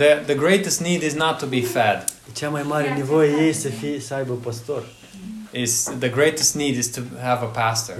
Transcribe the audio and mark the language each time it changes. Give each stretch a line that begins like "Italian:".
English: The greatest need is not to be fed.
Romanian: Cea mai mare nevoie ei să fie să aibă pastor.
English: Is the greatest need is to have a pastor.